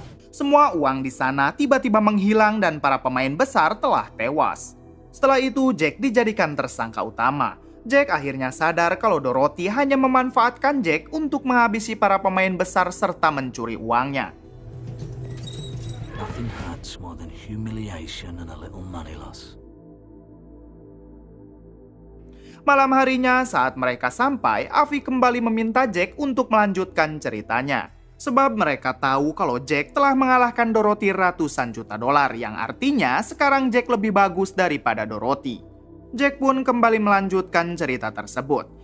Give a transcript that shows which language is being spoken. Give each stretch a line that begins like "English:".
Indonesian: Semua uang di sana tiba-tiba menghilang dan para pemain besar telah tewas. Setelah itu Jack dijadikan tersangka utama. Jack akhirnya sadar kalau Dorothy hanya memanfaatkan Jack untuk menghabisi para pemain besar serta mencuri uangnya.
English: Nothing hurts more than humiliation and a little money loss.
Indonesian: Malam harinya saat mereka sampai, Avi kembali meminta Jack untuk melanjutkan ceritanya. Sebab mereka tahu kalau Jack telah mengalahkan Dorothy $100 juta, yang artinya sekarang Jack lebih bagus daripada Dorothy. Jack pun kembali melanjutkan cerita tersebut.